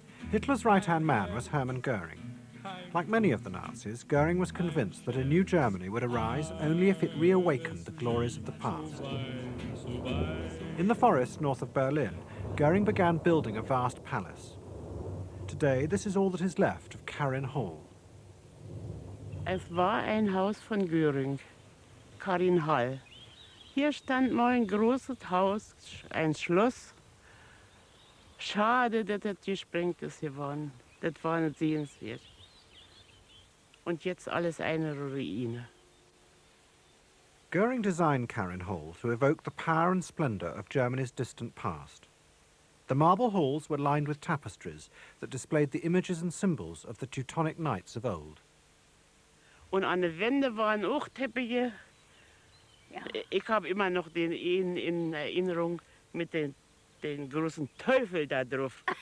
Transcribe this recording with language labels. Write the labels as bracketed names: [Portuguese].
[English] Hitler's right-hand man was Hermann Göring. Like many of the Nazis, Göring was convinced that a new Germany would arise only if it reawakened the glories of the past. In the forest north of Berlin, Göring began building a vast palace. Today, this is all that is left of Karin Hall. [German] Es war ein Haus von Göring, Karin Hall. Hier stand mal ein großes Haus, ein Schloss. Schade, dass das gesprengt ist geworden. Das war nicht sehenswert. Und jetzt alles eine Ruine. [English] Göring designed Karin Hall to evoke the power and splendor of Germany's distant past. The marble halls were lined with tapestries that displayed the images and symbols of the Teutonic Knights of old. [German] Und an den Wänden waren auch Teppiche. Ja. Ich habe immer noch den in Erinnerung mit den großen Teufel da drauf.